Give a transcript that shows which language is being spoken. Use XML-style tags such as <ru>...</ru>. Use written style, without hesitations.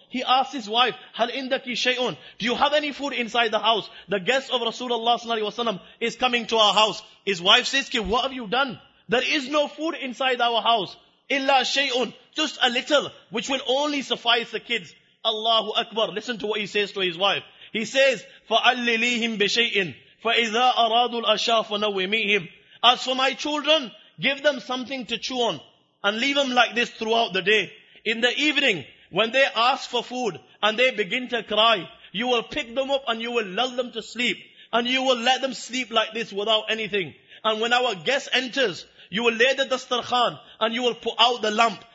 <en>He asks his wife,</en> <ar>"Hal indaki shay'un?</ar> <en>Do you have any food inside the house? The guest of Rasulullah ﷺ is coming to our house." His wife says, "Ki, what have you done? There is no food inside our house.</en> <ar>Illa shay'un.</ar> <en>Just a little, which will only suffice the kids." Allahu Akbar. Listen to what he says to his wife. He says,</en> <ar>فَعَلِّلِيهِمْ بِشَيْءٍ فَإِذَا أَرَادُ الْأَشَاءُ فَنَوِّمِيهِمْ.</ar> <en>As for my children, give them something to chew on and leave them like this throughout the day. In the evening, when they ask for food and they begin to cry, you will pick them up and you will lull them to sleep. And you will let them sleep like this without anything. And when our guest enters, you will lay the dastarkhan and you will put out the lamp.</en>